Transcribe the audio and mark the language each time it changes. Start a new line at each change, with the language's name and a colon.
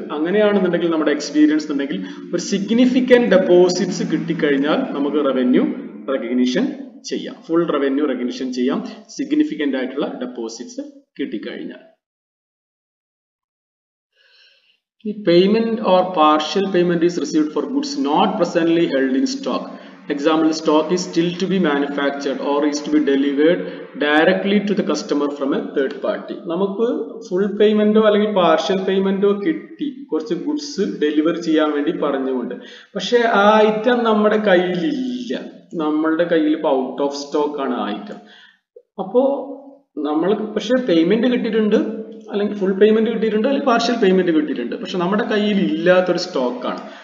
Malayalam: അങ്ങനെയാണെന്നുണ്ടെങ്കിൽ നമ്മുടെ എക്സ്പീരിയൻസ് ഉണ്ടെങ്കിൽ ഒരു സിഗ്നിഫിക്കൻറ്റ് ഡെപ്പോസിറ്റ്സ് കിട്ടിക്കഴിഞ്ഞാൽ നമുക്ക് റവന്യൂ റെക്കഗ്നിഷൻ ചെയ്യാം, ഫുൾ റവന്യൂ റെക്കഗ്നിഷൻ ചെയ്യാം സിഗ്നിഫിക്കൻ്റ് ആയിട്ടുള്ള ഡെപ്പോസിറ്റ്സ് കിട്ടിക്കഴിഞ്ഞാൽ.
English: ഈ payment or partial payment is received for goods not presently held in stock. Example, stock is still to be manufactured or is to be delivered directly to the customer from a third party.
Malayalam: നമുക്ക് full പേയ്മെന്റോ അല്ലെങ്കിൽ partial പേയ്മെന്റോ കിട്ടി, കുറച്ച് goods deliver ചെയ്യാൻ വേണ്ടി പറഞ്ഞുകൊണ്ട്, പക്ഷേ ആ item നമ്മുടെ കയ്യിലില്ല, നമ്മളുടെ കയ്യിൽ ഇപ്പോൾ ഔട്ട് ഓഫ് സ്റ്റോക്ക് ആണ് ആ ഐറ്റം. അപ്പോൾ നമ്മൾക്ക് പക്ഷേ പേയ്മെന്റ് കിട്ടിയിട്ടുണ്ട്, അല്ലെങ്കിൽ ഫുൾ പേയ്മെന്റ് കിട്ടിയിട്ടുണ്ട് അല്ലെങ്കിൽ പാർഷ്യൽ പേയ്മെന്റ് കിട്ടിയിട്ടുണ്ട്, പക്ഷെ നമ്മുടെ കയ്യിൽ ഇല്ലാത്തൊരു സ്റ്റോക്കാണ്.